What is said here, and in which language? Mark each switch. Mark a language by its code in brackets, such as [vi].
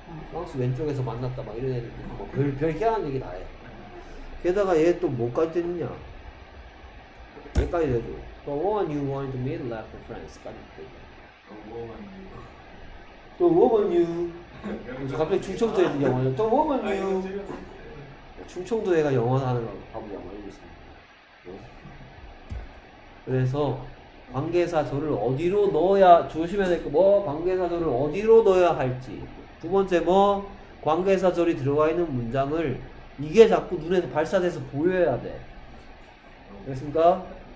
[ko] 프랑스 왼쪽에서 만났다 막 이런 애들. 뭐 별 희한한 얘기 다 해. 게다가 얘 또 뭐까지 됐냐? 얘까지 돼줘. [en] The woman you wanted to meet left France까지 돼. The woman you. The woman you. [ko] 갑자기 충청도 애들 영어냐? [en] The woman you. [ko] 충청도 애가 영어 하는 거 바보 양말 입었습니다. 그래서 관계사절을 어디로 넣어야 조심해야 될 거 뭐 관계사절을 어디로 넣어야 할지 두 번째 뭐 관계사절이 들어가 있는 문장을 이게 자꾸 눈에서 발사돼서 보여야 돼. 알겠습니까?